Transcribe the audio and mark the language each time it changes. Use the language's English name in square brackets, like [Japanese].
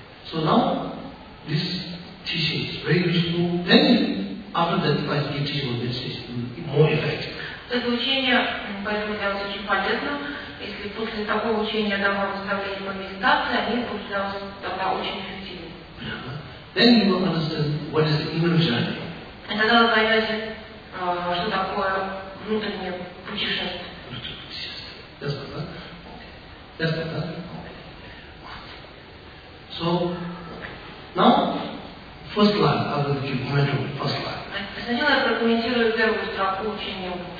[English] So now, this teaching is very useful. Then, after that, by the teaching of this, it's more effective. [Russian] Это учение, поэтому для вас очень полезно. Если после такого учения дам вам наставление по медитации, они будут для вас тогда очень эффективны. [English] Then you will understand what is the inner journey. [Russian] И тогда вы поймете, что такое внутреннее путешествие. [English] Yes, brother. Yes, brother. Okay. So, now, first line, I will give you the first line. [Russian] Сначала я прокомментирую первую строку учения.